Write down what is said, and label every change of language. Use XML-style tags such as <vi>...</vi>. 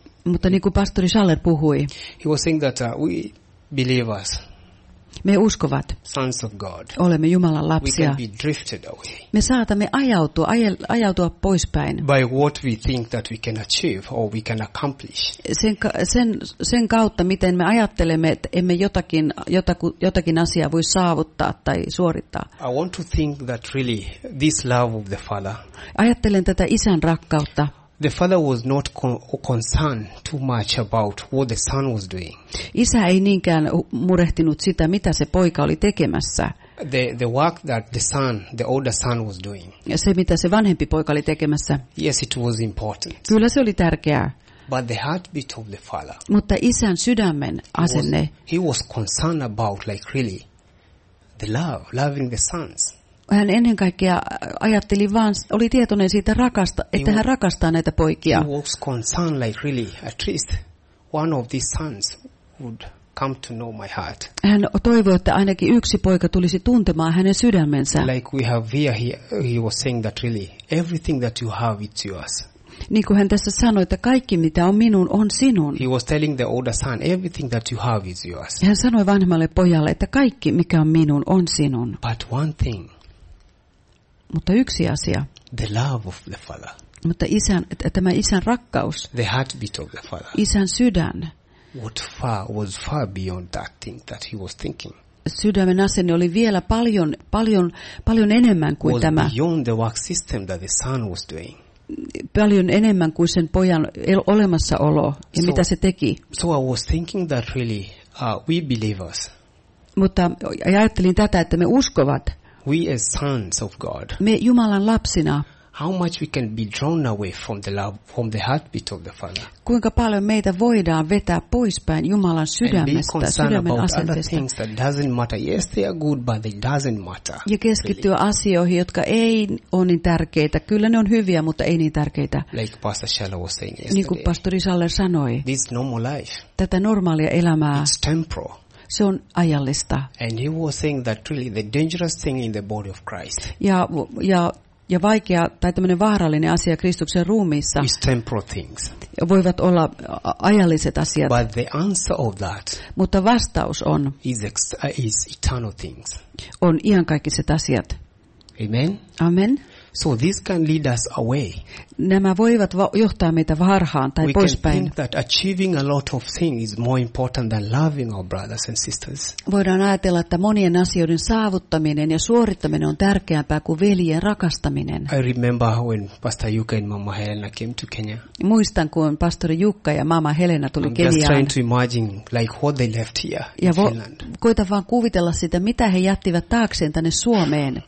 <fi>Mutta niin kuin pastori Schaller puhui.</fi> <en>He was saying that we believers.</en> <fi>Me uskovat.</fi> <en>Sons of God.</en> <fi>Olemme Jumalan lapsia.</fi> <en>We can be drifted away.</en> <fi>Me saatamme ajautua poispäin.</fi> <en>By what we think that we can achieve or we can accomplish.</en> <fi>Sen kautta miten me ajattelemme, että emme jotakin asiaa voi saavuttaa tai suorittaa.</fi> <en>I want to think that really this love of the Father.</en> <fi>Ajattelen tätä isän rakkautta.</fi> <en>The father was not concerned too much about what the son was doing.</en> <fi>Isä ei niinkään murehtinut sitä, mitä se poika oli tekemässä.</fi> <en>The work that the son, the older son was doing.</en> <fi>Ja se, mitä se vanhempi poika oli tekemässä.</fi> <en>Yes, it was important.</en> <fi>Kyllä se oli tärkeää.</fi> <en>But the heartbeat of the father.</en> <fi>Mutta isän sydämen asenne.</fi> <en>He was concerned about like really the love, loving the sons.</en> <fi>Hän ennen kaikkea ajatteli vaan, oli tietoinen siitä, että hän rakastaa näitä poikia.</fi> <en>He was concerned like really, at least one of these sons would come to know my heart.</en> <fi>Hän toivoi, että ainakin yksi poika tulisi tuntemaan hänen sydämensä.</fi> <en>Like we have here, he was saying that really, everything that you have, it's yours.</en> <fi>Niin kuin hän tässä sanoi, että kaikki mitä on minun, on sinun.</fi> <en>He was telling the older son, everything that you have is yours.</en> <fi>Hän sanoi vanhemmalle pojalle, että kaikki mikä on minun, on sinun.</fi> <en>But one thing.</en> <fi>Mutta yksi asia.</fi> <en>The love of the father.</en> <fi>Mutta isän, tämä isän rakkaus.</fi> <en>The heartbeat of the father.</en> <fi>Isän sydän.</fi> <en>What far was far beyond that thing that he was thinking.</en> <fi>Sydämen asenne oli vielä paljon enemmän kuin</fi> <en>was</en> <fi>tämä.</fi> <en>Beyond the work system that the son was doing.</en> <fi>Paljon enemmän kuin sen pojan olemassaolo ja so, mitä se teki.</fi> <en>So I was thinking that really we believers.</en> <fi>Mutta ajattelin tätä, että me uskovat.</fi> <en>We as sons of God.</en> <fi>Me Jumalan lapsina.</fi> <en>How much we can be drawn away from the love, from the heartbeat of the Father.</en> <fi>Kuinka paljon meitä voidaan vetää poispäin Jumalan sydämestä, sydämen asenteesta.</fi> <en>And be concerned about other things that doesn't matter. Yes, they are good, but they doesn't matter.</en> <fi>Ja keskittyä really. Asioihin, jotka ei ole niin tärkeitä. Kyllä ne on hyviä, mutta ei niin tärkeitä.</fi> <en>Like Pastor Shallow was saying yesterday.</en> <fi>Niin kuin pastori Schaller sanoi.</fi> <en>This normal life.</en> <fi>Tätä normaalia elämää.</fi> <en>It's temporal.</en> <fi>Se on ajallista.</fi> <en>And he was saying that really the dangerous thing in the body of Christ.</en> <fi>Ja vaikea tai tämmöinen vaarallinen asia Kristuksen ruumiissa.</fi> <en>Is temporal things.</en> <fi>Voivat olla ajalliset asiat.</fi> <en>But the answer of that.</en> <fi>Mutta vastaus on.</fi> <en>Is eternal things.</en> <fi>On iankaikkiset asiat.</fi> <en>Amen.</en> <fi>Amen.</fi> <en>So this can lead us away.</en> <fi>Nämä voivat johtaa meitä harhaan tai poispäin.</fi> <en>We can think that achieving a lot of things is more important than loving our brothers and sisters.</en> <fi>Voidaan ajatella, että monien asioiden saavuttaminen ja suorittaminen on tärkeämpää kuin veljen rakastaminen.</fi> <en>I remember when Pastor Jukka and Mama Helena came to Kenya.</en> <fi>Muistan, kun pastori Jukka ja Mama Helena tuli Keniaan.</fi> <en>I'm just trying to imagine like what they left here</en> <fi>ja</fi> <en>in Finland.</en> <fi>Koita vaan kuvitella sitä, mitä he jättivät taakseen tänne Suomeen.</fi>